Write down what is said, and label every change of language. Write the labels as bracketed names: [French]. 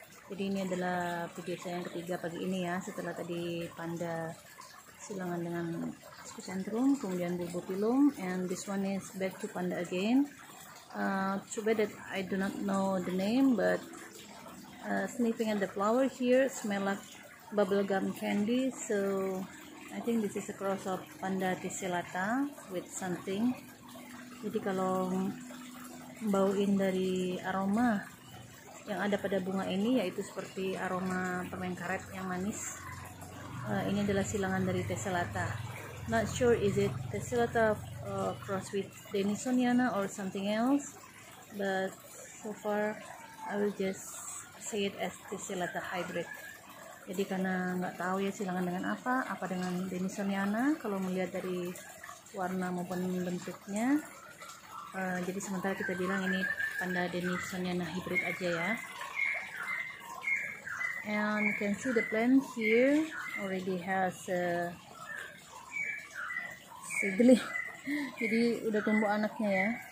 [Indonesian] Jadi ini adalah video saya yang ketiga pagi ini ya, setelah tadi Panda silangan dengan Sku Centrum, kemudian Bulbul Pilum, [English] and this one is back to Panda again. Too bad that I do not know the name, but sniffing at the flower here smell like bubblegum candy, so I think this is a cross of Panda Tisilata with something. [Indonesian] Jadi kalau bauin dari aroma yang ada pada bunga ini, yaitu seperti aroma permen karet yang manis, ini adalah silangan dari Tisilata. [English] Not sure is it Tisilata cross with Denisoniana or something else, but so far I will just say it as Tisilata hybrid. [Indonesian] Jadi karena nggak tahu ya silangan dengan apa dengan Denisoniana, kalau melihat dari warna maupun bentuknya, jadi sementara kita bilang ini Panda Denisoniana hybrid aja ya. [English] And you can see the plant here already has a seedling. [Indonesian] Jadi udah tumbuh anaknya ya.